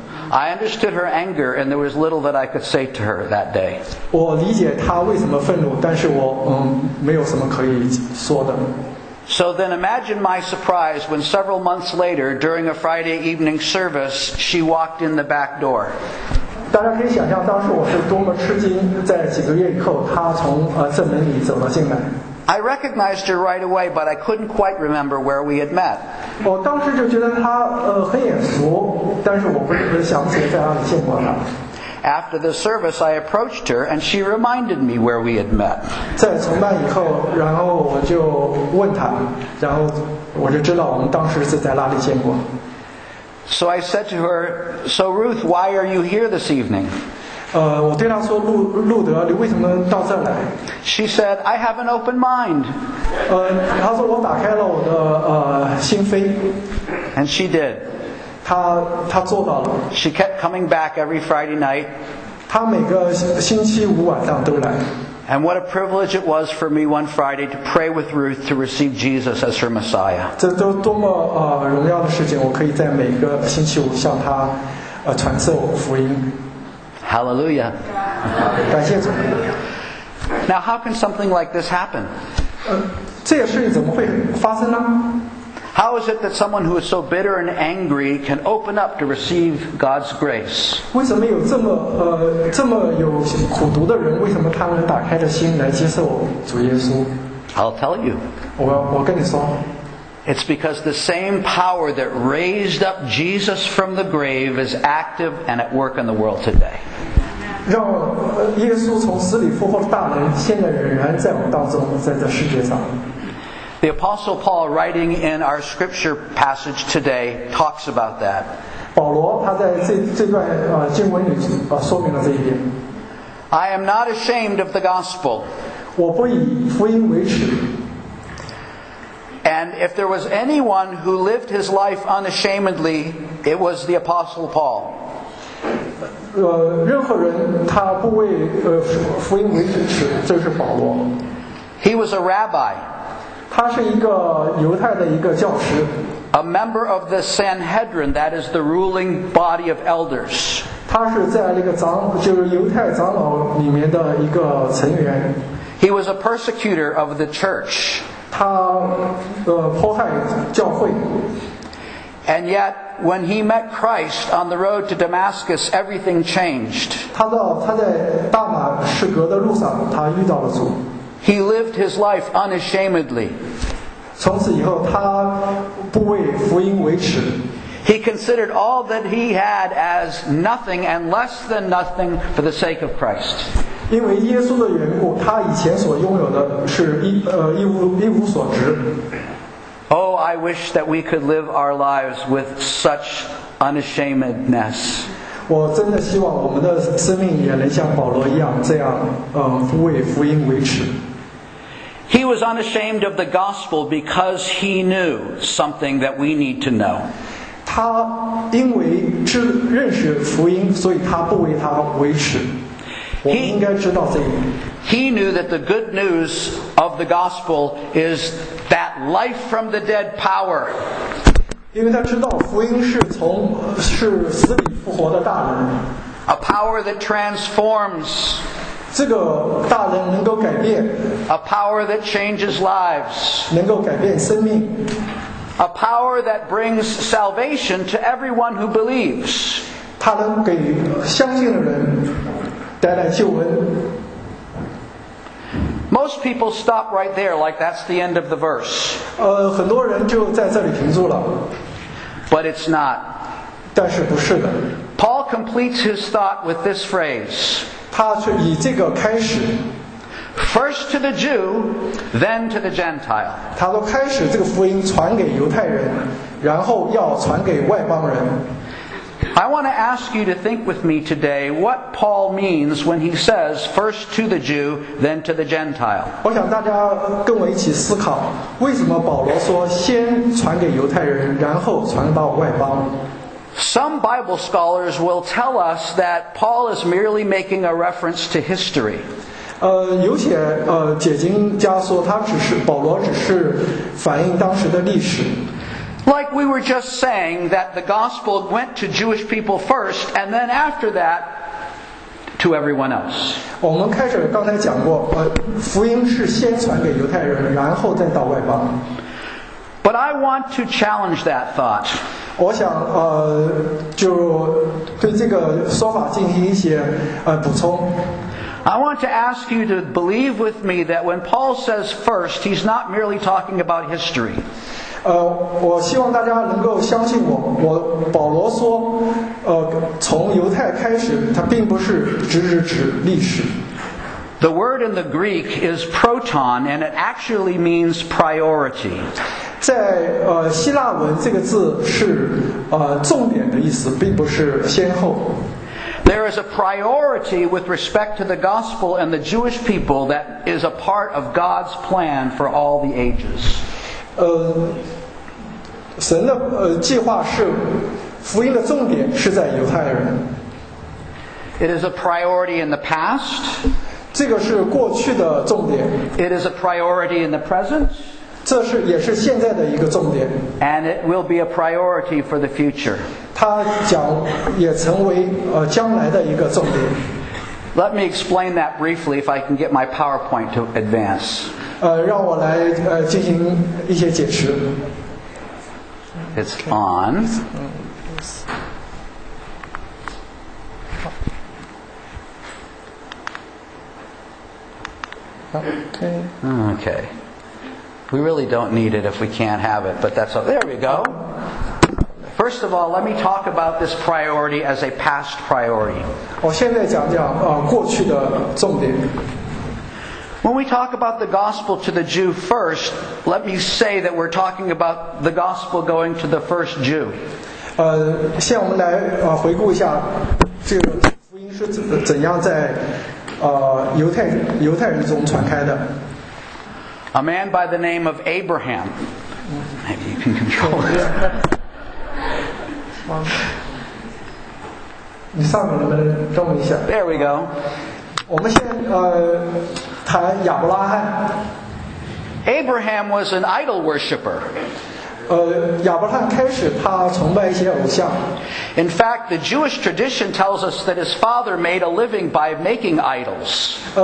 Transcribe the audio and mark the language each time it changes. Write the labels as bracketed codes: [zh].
[en] I understood her anger, and there was little that I could say to her that day. [zh] 我理解她为什么愤怒，但是我没有什么可以说的。 [en] So then imagine my surprise when several months later, during a Friday evening service, she walked in the back door. [zh] 大家可以想象当时我是多么吃惊，在几个月以后，她从正门里走了进来。 [en] I recognized her right away, but I couldn't quite remember where we had met. [zh] 我当时就觉得她很眼熟，但是我不是想起在哪里见过她。 [en] After the service, I approached her, and she reminded me where we had met. [zh] 在崇拜以后，然后我就问她，然后我就知道我们当时是在哪里见过。 [en] So I said to her, "So Ruth, why are you here this evening?" [zh] 我对她说，路德，你为什么到这来？ [en] She said, "I have an open mind." [zh] 她说我打开了我的心扉。 [en] And she did. [zh] 她做到了。 [en] She kept coming back every Friday night. [zh] 她每个星期五晚上都来。 [en] And what a privilege it was for me one Friday to pray with Ruth to receive Jesus as her Messiah. [zh] 这都多么荣耀的事情，我可以在每个星期五向她传授福音。 [en] Hallelujah. [zh] 感谢主。 [en] Now how can something like this happen? [zh] 这些事情怎么会发生呢？ [en] How is it that someone who is so bitter and angry can open up to receive God's grace? [zh] 为什么有这么有苦毒的人，为什么他能打开着心来接受主耶稣？ [en] I'll tell you. [zh] 我跟你说。 [en] It's because the same power that raised up Jesus from the grave is active and at work in the world today. [zh] 让耶稣从死里复活的大能现在仍然在我们当中，在这世界上。 [en] The Apostle Paul, writing in our scripture passage today, talks about that. [zh] 保罗他在这段经文里说明了这一点。 [en] I am not ashamed of the gospel. [zh] 我不以福音为耻。 [en] And if there was anyone who lived his life unashamedly, it was the Apostle Paul. [zh] 任何人他不为福音为耻，就是保罗。 [en] He was a rabbi. [zh] 他是一个犹太的一个教师。 [en] A member of the Sanhedrin, that is the ruling body of elders. [zh] 他是在那个就是犹太长老里面的一个成员。 [en] He was a persecutor of the church. [zh] 他迫害教会。 [en] And yet, when he met Christ on the road to Damascus, everything changed. [zh] 他在大马士革的路上，他遇到了主。 [en] He lived his life unashamedly. [zh] 从此以后，他不为福音为耻。 [en] He considered all that he had as nothing and less than nothing for the sake of Christ. [zh] 因为耶稣的缘故，他以前所拥有的是一无所值。 [en] Oh, I wish that we could live our lives with such unashamedness. [zh] 我真的希望我们的生命也能像保罗一样这样，为福音为耻。 [en] He was unashamed of the gospel because he knew something that we need to know. [zh] 他因为知认识福音，所以他不为他为耻。 [en] He knew that the good news of the gospel is that life from the dead power. [zh] 因为他知道福音是死里复活的大能。 [en] A power that transforms. [zh] 这个大能能够改变。 [en] A power that changes lives. [zh] 能够改变生命。 [en] A power that brings salvation to everyone who believes. [zh] 他能给相信的人带来救恩。 [en] Most people stop right there, like that's the end of the verse. [zh] 很多人就在这里停住了。 [en] But it's not. [zh] 但是不是的。 [en] Paul completes his thought with this phrase. [zh] 他是以这个开始。 [en] First to the Jew, then to the Gentile. [zh] 他说开始这个福音传给犹太人，然后要传给外邦人。 [en] I want to ask you to think with me today what Paul means when he says first to the Jew, then to the Gentile. [zh] 我想大家跟我一起思考，为什么保罗说先传给犹太人，然后传到外邦？ [en] Some Bible scholars will tell us that Paul is merely making a reference to history. [zh] 有些解经家说他只是保罗只是反映当时的历史。 [en] Like we were just saying that the gospel went to Jewish people first and then after that to everyone else. [zh] 我们开始刚才讲过，福音是先传给犹太人，然后再到外邦。 [en] But I want to challenge that thought. [zh] 我想就对这个说法进行一些补充。 [en] I want to ask you to believe with me that when Paul says first, he's not merely talking about history. [zh] 我希望大家能够相信我。保罗说，从犹太开始，他并不是指历史。 [en] The word in the Greek is proton, and it actually means priority. [zh] 在希腊文，这个字是重点的意思，并不是先后。 [en] There is a priority with respect to the gospel and the Jewish people that is a part of God's plan for all the ages. [zh] 神的计划是福音的重点是在犹太人。 [en] It is a priority in the past. [zh] 这个是过去的重点。 [en] It is a priority in the present. [zh] 这是也是现在的一个重点。 [en] And it will be a priority for the future. [zh] 他讲也成为将来的一个重点。 [en] Let me explain that briefly if I can get my PowerPoint to advance. [zh] 让我来进行一些解释。 [en] It's on. Okay. We really don't need it if we can't have it, but that's all. There we go. First of all, let me talk about this priority as a past priority. [zh] 我现在讲讲过去的重点。 [en] When we talk about the gospel to the Jew first, let me say that we're talking about the gospel going to the first Jew. [zh] 先我们来回顾一下这个福音是怎样在犹太人中传开的。 [en] A man by the name of Abraham. Maybe you can control it. [zh] 你上面能不能动一下 [en] ？There we go. [zh] 我们先谈亚伯拉罕。 [en] Abraham was an idol worshipper. [zh] 亚伯拉罕开始他崇拜一些偶像。 [en] In fact, the Jewish tradition tells us that his father made a living by making idols.